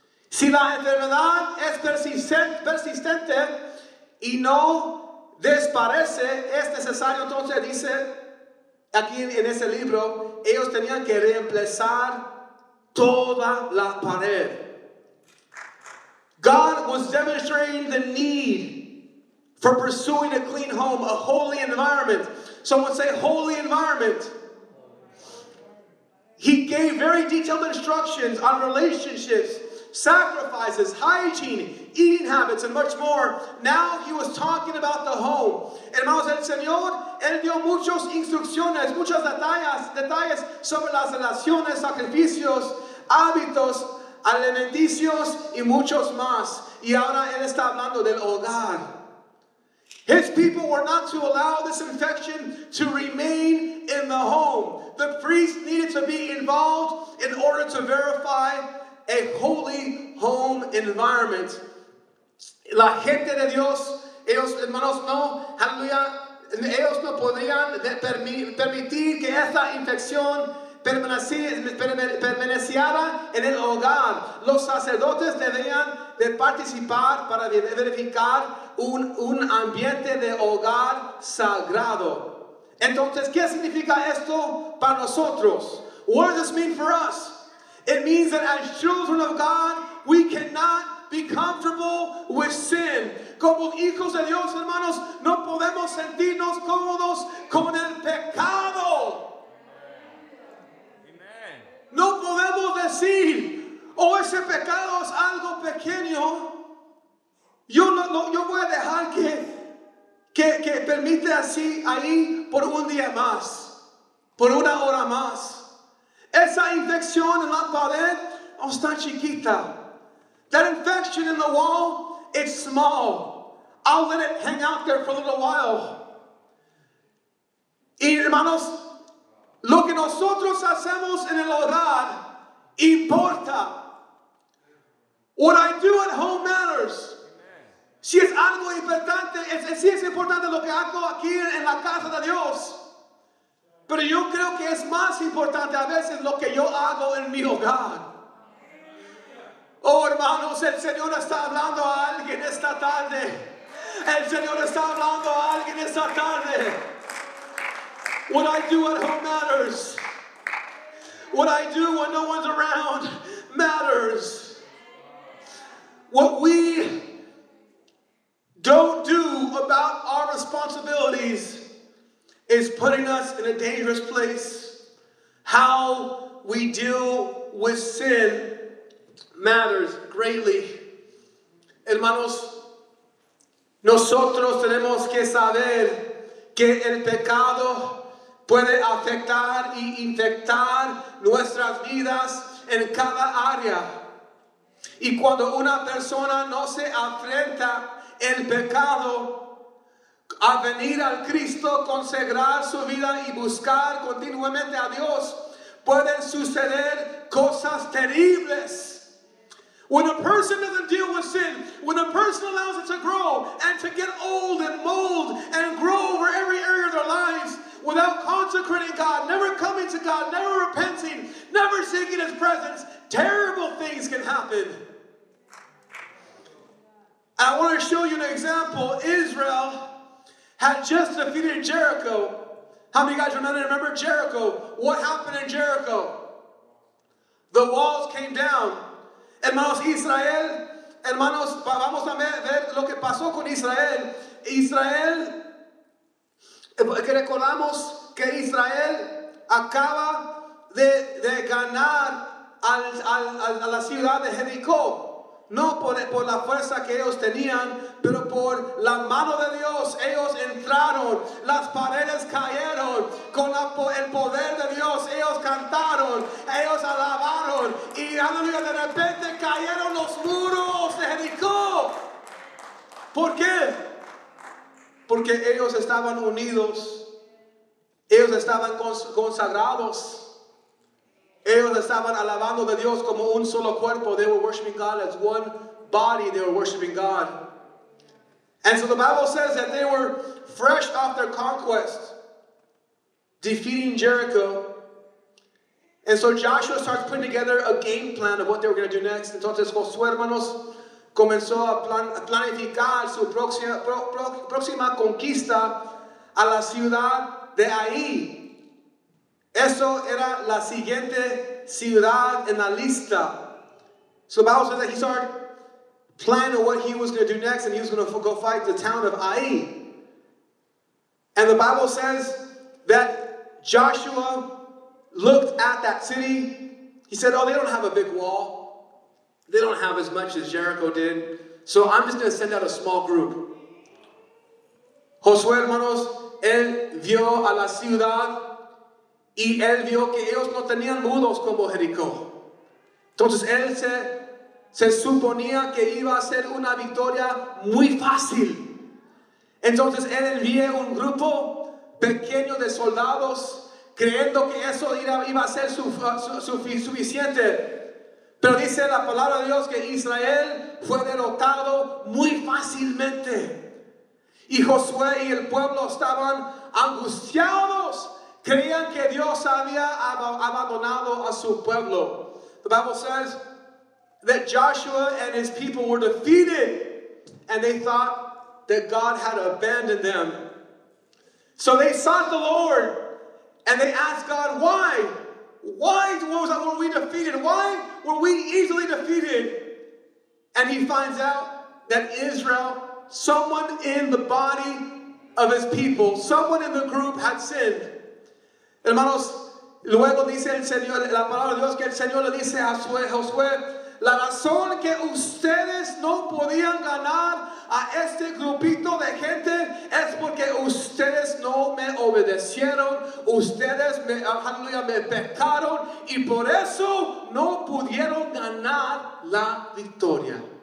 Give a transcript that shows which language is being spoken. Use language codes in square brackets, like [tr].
[es] Si la enfermedad es persistente y no desaparece, es necesario, entonces dice aquí en ese libro, ellos tenían que reemplazar toda la pared. [en] God was demonstrating the need for pursuing a clean home, a holy environment. Someone say, holy environment. He gave very detailed instructions on relationships, sacrifices, hygiene, eating habits, and much more. Now he was talking about the home. [es] Hermanos, el Señor, él dio muchas instrucciones, muchos detalles sobre las relaciones, sacrificios, hábitos, alimenticios, y muchos más. Y ahora él está hablando del hogar. [en] His people were not to allow this infection to remain in the home. The priest needed to be involved in order to verify a holy home environment. [es] La gente de Dios, ellos, hermanos, no, aleluya, ellos no podrían permitir que esa infección permaneciera en el hogar. Los sacerdotes deberían de participar para verificar un ambiente de hogar sagrado. Entonces, ¿qué significa esto para nosotros? [en] What does this mean for us? It means that as children of God, we cannot be comfortable with sin. [es] Como hijos de Dios, hermanos, no podemos sentirnos cómodos con el pecado. Amen. No podemos decir, oh, ese pecado es algo pequeño. Yo voy a dejar que permite así ahí por un día más, por una hora más. Esa infección en la pared, oh, está chiquita. [en] That infection in the wall, it's small. I'll let it hang out there for a little while. [es] Y hermanos, lo que nosotros hacemos en el hogar importa. [en] What I do at home matters. Amen. [es] Si es algo importante, si es importante lo que hago aquí en la casa de Dios. Pero yo creo que es más importante a veces lo que yo hago en mi hogar. Oh, hermanos, el Señor está hablando a alguien esta tarde. El Señor está hablando a alguien esta tarde. [en] What I do at home matters. What I do when no one's around matters. What we don't do about our responsibilities is putting us in a dangerous place. How we deal with sin matters greatly. [es] Hermanos, nosotros tenemos que saber que el pecado puede afectar y infectar nuestras vidas en cada área. Y cuando una persona no se afrenta el pecado a venir al Cristo, consagrar su vida y buscar continuamente a Dios, pueden suceder cosas terribles. [en] When a person doesn't deal with sin, when a person allows it to grow and to get old and mold and grow over every area of their lives without consecrating God, never coming to God, never repenting, never seeking His presence, terrible things can happen. I want to show you an example. Israel had just defeated Jericho. How many of you guys remember Jericho? What happened in Jericho? The walls came down. [es] Hermanos, Israel, hermanos, vamos a ver lo que pasó con Israel. Israel, que recordamos que Israel acaba de ganar a la ciudad de Jericó. No por la fuerza que ellos tenían, pero por la mano de Dios. Ellos entraron, las paredes cayeron con el poder de Dios. Ellos cantaron, ellos alabaron y aleluya, de repente cayeron los muros de Jericó. ¿Por qué? Porque ellos estaban unidos. Ellos estaban consagrados. Ellos estaban alabando a Dios como un solo cuerpo. [en] They were worshiping God as one body. They were worshiping God. And so the Bible says that they were fresh off their conquest, defeating Jericho. And so Joshua starts putting together a game plan of what they were going to do next. [es] Entonces Josué, hermanos, comenzó a planificar su próxima conquista a la ciudad de Ai. Eso era la siguiente ciudad en la lista. [en] So the Bible says that he started planning what he was going to do next, and he was going to go fight the town of Ai. And the Bible says that Joshua looked at that city. He said, oh, they don't have a big wall. They don't have as much as Jericho did. So I'm just going to send out a small group. [es] Josué, hermanos, él vio a la ciudad. Y él vio que ellos no tenían muros como Jericó. Entonces él se suponía que iba a ser una victoria muy fácil. Entonces él envió un grupo pequeño de soldados, creyendo que eso iba a ser suficiente. Pero dice la palabra de Dios que Israel fue derrotado muy fácilmente. Y Josué y el pueblo estaban angustiados. Creían que Dios había abandonado a su pueblo. [en] The Bible says that Joshua and his people were defeated, and they thought that God had abandoned them. So they sought the Lord, and they asked God, why? Why was that, were we defeated? Why were we easily defeated? And he finds out that Israel, someone in the body of his people, someone in the group had sinned. [es] Hermanos, luego dice el Señor, la palabra de Dios que el Señor le dice a Josué, la razón que ustedes no podían ganar a este grupito de gente es porque ustedes no me obedecieron, ustedes me, aleluya, me pecaron, y por eso no pudieron ganar la victoria.